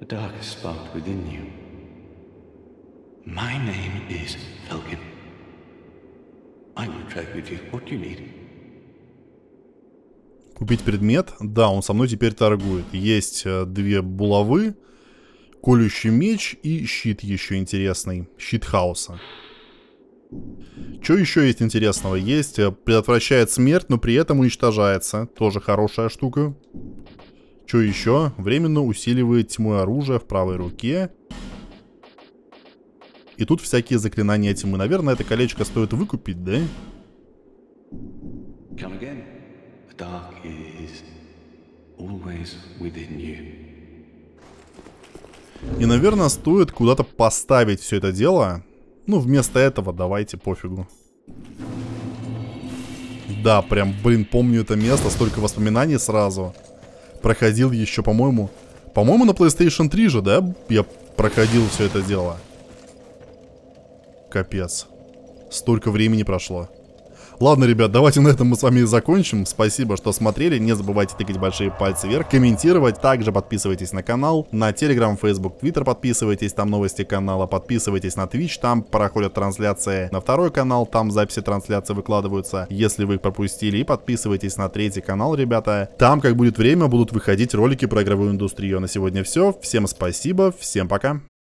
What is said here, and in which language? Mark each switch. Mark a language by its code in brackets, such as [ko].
[en] The darkest spark within you. My name is Felgen. I will trade with you what you need. [ru] Купить предмет? Да, он со мной теперь торгует. Есть две булавы, колющий меч и щит еще интересный. Щит хаоса. Что еще есть интересного? Есть, предотвращает смерть, но при этом уничтожается. Тоже хорошая штука. Что еще? Временно усиливает тьму оружия в правой руке. И тут всякие заклинания этим. И, наверное, это колечко стоит выкупить, да? [en] Come again. The dark is always within you. [ru] И, наверное, стоит куда-то поставить все это дело. Ну, вместо этого давайте пофигу. Да, прям, блин, помню это место. Столько воспоминаний сразу. Проходил еще, по-моему... По-моему, на PlayStation 3 же, да? Я проходил все это дело. Капец. Столько времени прошло. Ладно, ребят, давайте на этом мы с вами и закончим. Спасибо, что смотрели. Не забывайте тыкать большие пальцы вверх, комментировать. Также подписывайтесь на канал. На Telegram, Facebook, Twitter подписывайтесь. Там новости канала. Подписывайтесь на Twitch. Там проходят трансляции на второй канал. Там записи трансляции выкладываются, если вы их пропустили. И подписывайтесь на третий канал, ребята. Там, как будет время, будут выходить ролики про игровую индустрию. А на сегодня все. Всем спасибо. Всем пока.